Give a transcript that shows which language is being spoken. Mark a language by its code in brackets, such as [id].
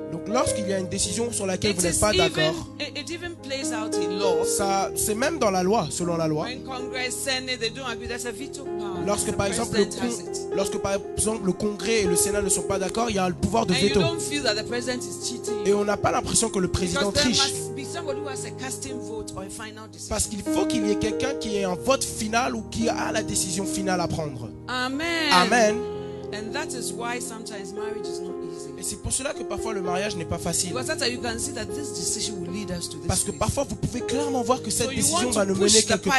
[fr] Donc lorsqu'il y a une décision sur laquelle [en] it [fr] vous n'êtes pas d'accord, [en] it even plays out in law. [fr] Ça, c'est même dans la loi, selon la loi. [en] When Congress, Senate, they don't agree, that's a veto power. [fr] Lorsque, par exemple, lorsque par exemple le Congrès et le Sénat ne sont pas d'accord, il y a le pouvoir de veto. [en] And you don't feel that the president is cheating. [fr] Et on n'a pas l'impression que le président [en] because [fr] triche. [en] Somebody who has a casting vote or a final decision. [fr] Parce qu'il faut qu'il y ait quelqu'un qui ait un vote final ou qui a la décision finale à prendre. [en] Amen. [fr] Amen. [en] And that is why sometimes marriage is not easy. [fr] Et c'est pour cela que parfois le mariage n'est pas facile. [en] Because that's how you can see that this decision will lead us to this. [fr] Parce que parfois vous pouvez clairement voir que cette [en] so [fr] décision va nous mener quelque part.